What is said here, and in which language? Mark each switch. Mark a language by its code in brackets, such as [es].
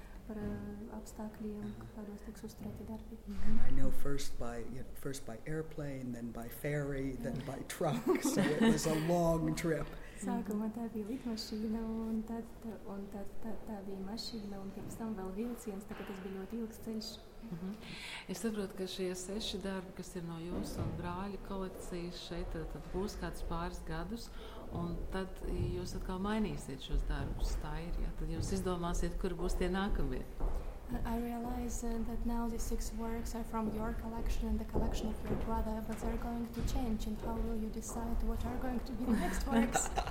[en] And I know first by airplane, then by ferry, then by truck, so it was a long trip. [lv] Sākumā tā bija lidmašīna, un tad tā bija mašīna, un pēc tam vēl vilciens, tā ka tas bija ļoti ilgs ceļš. Mm-hmm. Es saprotu, ka šie seši darbi, kas ir no jūsu un brāļa kolekcijas šeit, tad būs kāds pāris gadus, un tad jūs atkal mainīsiet šos darbus, tā ir, ja? Tad jūs izdomāsiet, kur būs tie nākamie. [en] I realize that now these six works are from your collection and the collection of your brother, but they're going to change, and how will you decide what are going to be the next works?